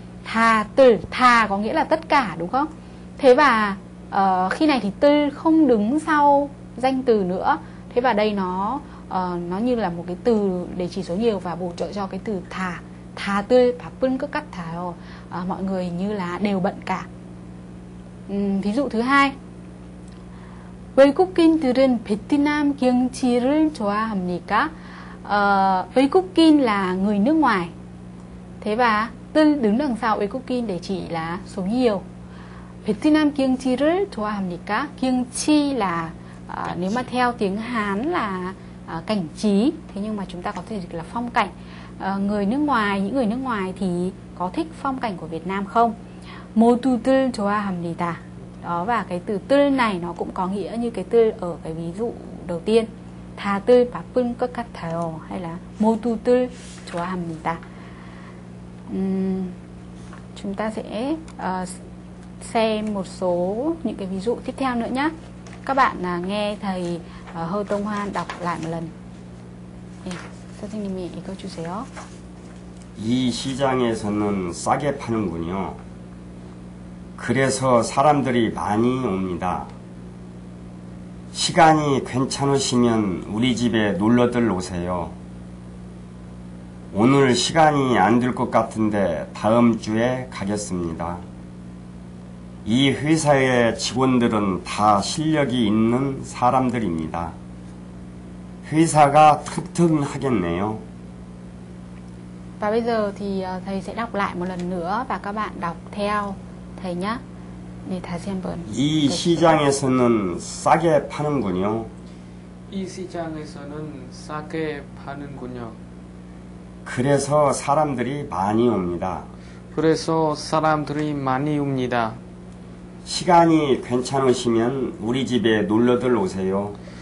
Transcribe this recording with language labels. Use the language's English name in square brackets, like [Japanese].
[Vietnamese] 다들, 다 có nghĩa là tất cả, đúng không? Thế và khi này thì 뜰 không đứng sau danh từ nữa. Thế và đây nó như là một cái từ để chỉ số nhiều và bổ trợ cho cái từ 다. [Korean] 다들 바쁜 것 같아요. [Vietnamese] Mọi người như là đều bận cả. Ví dụ thứ hai. [Korean] 외국인들은 베트남 경치를 좋아합니까? [Vietnamese] 외국인 là người nước ngoài. Thế và 뜰 đứng đằng sau 외국인 để chỉ là số nhiều. [Korean] 베트남 경치를 좋아합니까? [Vietnamese] 경치 là nếu mà theo tiếng Hán là cảnh trí, thế nhưng mà chúng ta có thể dịch là phong cảnh. Người nước ngoài, những người nước ngoài thì có thích phong cảnh của Việt Nam không? [Korean] 모두들 좋아합니다. [Vietnamese] Đó, và cái từ tư này nó cũng có nghĩa như cái tư ở cái ví dụ đầu tiên. [Korean] 다들 바쁜 것 같아요 [Vietnamese] hay là [Korean] 모두들 좋아합니다. [Vietnamese] Chúng ta sẽ xem một số những cái ví dụ tiếp theo nữa nhé. Các bạn nghe thầy Hơ Tông Hoan đọc lại một lần. [Korean] 선생님이 읽어주세요. 이 시장에서는 싸게 파는군요. 그래서 사람들이 많이 옵니다. 시간이 괜찮으시면 우리 집에 놀러들 오세요. 오늘 시간이 안 될 것 같은데 다음 주에 가겠습니다. 이 회사의 직원들은 다 실력이 있는 사람들입니다. 회사가 튼튼하겠네요. [Vietnamese] Và bây giờ thì thầy sẽ đọc lại một lần nữa và các bạn đọc theo thầy nhé. [Korean] 네, 다시 한번. 이 시장에서는 싸게 파는군요. 이 시장에서는 싸게 파는군요. 그래서 사람들이 많이 옵니다. 그래서 사람들이 많이 옵니다. 시간이 괜찮으시면 우리 집에 놀러들 오세요.